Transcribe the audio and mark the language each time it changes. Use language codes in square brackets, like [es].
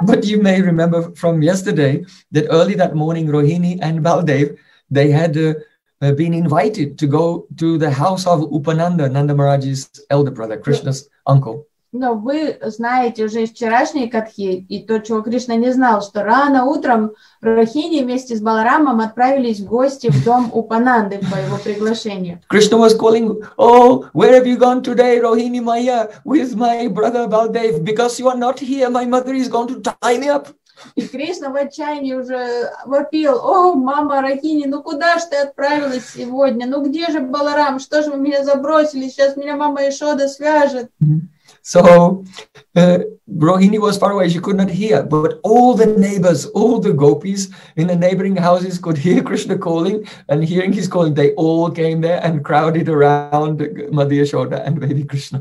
[en] But you may remember from yesterday that early that morning Rohini and Baldev, they had been invited to go to the house of Upananda, Nanda Maharaj's elder brother, Krishna's uncle. [ru] Но вы знаете уже из вчерашней катхи и то, чего Кришна не знал, что рано утром Рохини вместе с Баларамом отправились в гости в дом Упананды по его приглашению. [en] Krishna was calling, oh, where have you gone today, Rohini Maya, with my brother Baldev? Because you are not here, my mother is going to tie me up. [ru] И Кришна в отчаянии уже вопил, о, мама Рохини, ну куда ж ты отправилась сегодня? Ну где же Баларам? Что же вы меня забросили? Сейчас меня мама Ешода свяжет. [en] So, Rohini was far away, she could not hear, but all the neighbors, all the gopis in the neighboring houses could hear Krishna calling, and hearing his calling, they all came there and crowded around Madhya Shoda and baby Krishna.